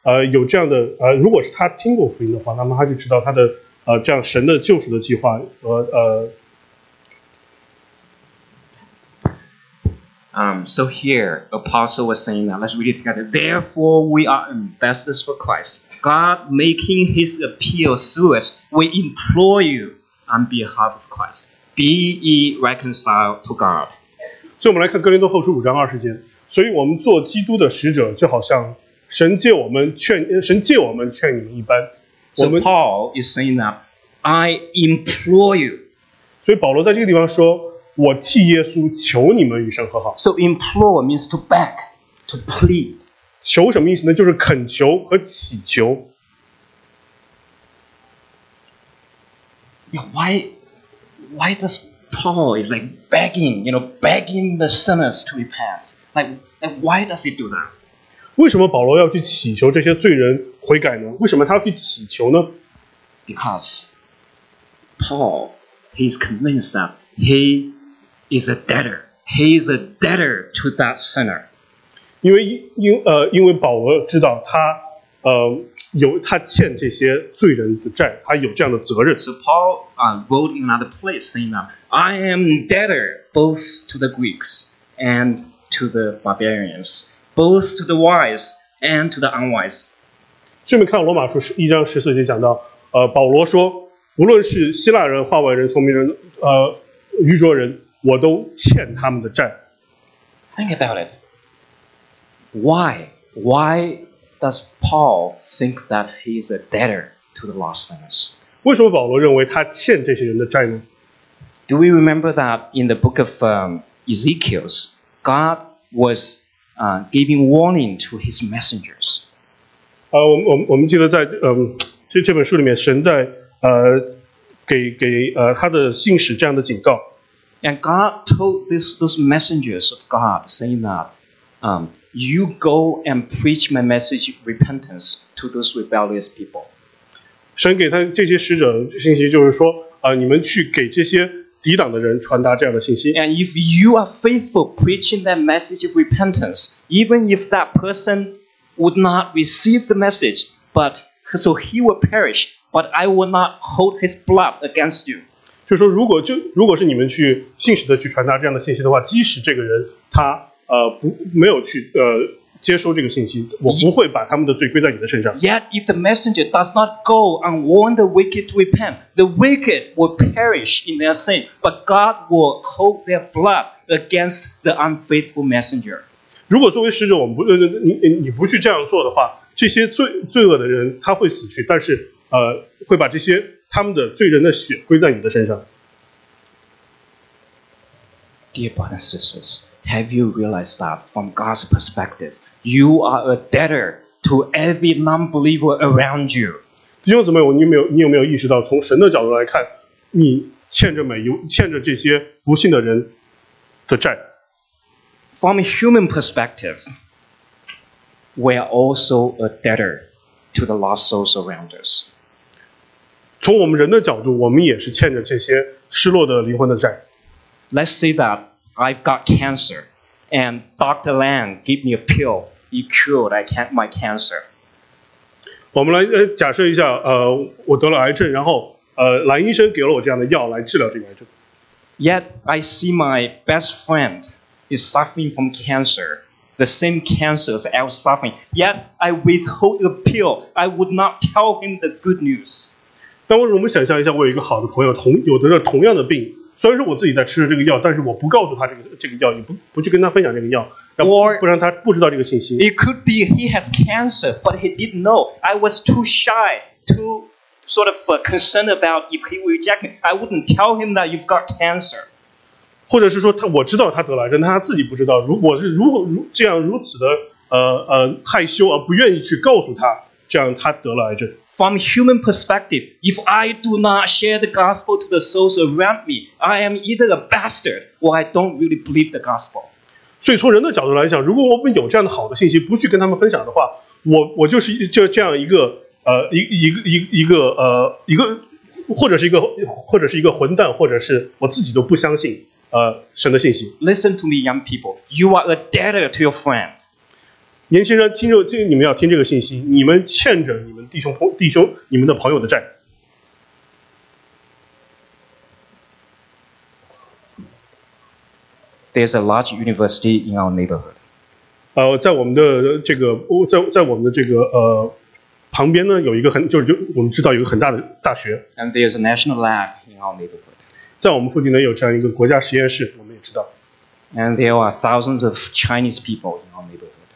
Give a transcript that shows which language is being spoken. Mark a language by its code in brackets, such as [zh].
[zh] 有这样的如果是他听过福音的话，那么他就知道他的这样神的救赎的计划和 [en] So here, Apostle was saying that, let's read it together. Therefore, we are ambassadors for Christ. God making his appeal through us, we implore you on behalf of Christ. Be ye reconciled to God. [zh] 所以我们来看哥林多后书五章二十节。所以我们做基督的使者，就好像神借我们劝你们一般。 [en] So Paul is saying that I implore you. [zh] 所以保罗在这个地方说，我替耶稣求你们与神和好。 [en] So implore means to beg, to plead. [zh] 求什么意思呢？就是恳求和祈求。 [en] Yeah, why does Paul is like begging, you know, begging the sinners to repent? Like why does he do that? [zh] 为什么保罗要去祈求这些罪人悔改呢？为什么他要去祈求呢？ [en] Because Paul, he is convinced that he is a debtor. He is a debtor to that sinner. [zh] 因为保罗知道他欠这些罪人的债，他有这样的责任。 [en] So Paul wrote in another place saying that I am debtor both to the Greeks and to the barbarians. Both to the wise and to the unwise. [zh] 这边看罗马书一章十四节讲到，保罗说，无论是希腊人、化外人、聪明人、愚拙人，我都欠他们的债。 [en] Think about it. Why? Why does Paul think that he is a debtor to the lost sinners? [zh] 为什么保罗认为他欠这些人的债呢？ [en] Do we remember that in the book of Ezekiel, God was giving warning to his messengers? [zh] 我们记得在这本书里面，神在给他的信使这样的警告。 [en] And God told those messengers of God, saying that, you go and preach my message repentance to those rebellious people. [zh] 神给他这些使者信息就是说，你们去给这些抵挡的人传达这样的信息。 [en] And if you are faithful preaching that message of repentance, even if that person would not receive the message, but so he will perish, but I will not hold his blood against you. [zh] 就说如果是你们去信实的去传达这样的信息的话，即使这个人他不没有去接收这个信息，我不会把他们的罪归在你的身上。 [en] Yet if the messenger does not go and warn the wicked to repent, the wicked will perish in their sin, but God will hold their blood against the unfaithful messenger. [zh] 如果作为使者，我们不你不去这样做的话，这些罪恶的人他会死去，但是会把这些他们的罪人的血归在你的身上。 [en] Dear brothers and sisters, have you realized that from God's perspective, you are a debtor to every non-believer around you? [zh] 弟兄姊妹，你有没有意识到，从神的角度来看，你欠着这些不信的人的债？ [en] From a human perspective, we are also a debtor to the lost souls around us. [zh] 从我们人的角度，我们也是欠着这些失落的灵魂的债。 [en] Let's say that. I've got cancer, and Dr. Lang gave me a pill. He cured my cancer. [zh] 我们来假设一下，我得了癌症，然后蓝医生给了我这样的药来治疗这个癌症。 [en] Yet I see my best friend is suffering from cancer, the same cancer as I was suffering. Yet I withhold the pill. I would not tell him the good news. [zh] 但我们想象一下，我有一个好的朋友，有得着同样的病。虽然说我自己在吃这个药，但是我不告诉他这个药，也不去跟他分享这个药，不让他不知道这个信息。 [en] It could be he has cancer, but he didn't know. I was too shy, too sort of concerned about if he would reject it. I wouldn't tell him that you've got cancer. [zh] 或者是说我知道他得了癌症，但他自己不知道。如此的害羞而不愿意去告诉他，这样他得了癌症。 [en] From human perspective, if I do not share the gospel to the souls around me, I am either a bastard or I don't really believe the gospel. [zh] 所以从人的角度来讲，如果我们有这样的好的信息不去跟他们分享的话，我就是就这样一个一个或者是一个混蛋，或者是我自己都不相信神的信息。 [en] Listen to me, young people. You are a debtor to your friend. [zh] 年轻人，你们要听这个信息，你们欠着你们弟兄你们的朋友的债。 [en] There's a large university in our neighborhood. [zh] 在我们的这个在我们的这个旁边呢，有一个很就是我们知道有一个很大的大学。 [en] And there's a national lab in our neighborhood. [zh] 在我们附近呢有这样一个国家实验室，我们也知道。 [en] And there are thousands of Chinese people in our neighborhood.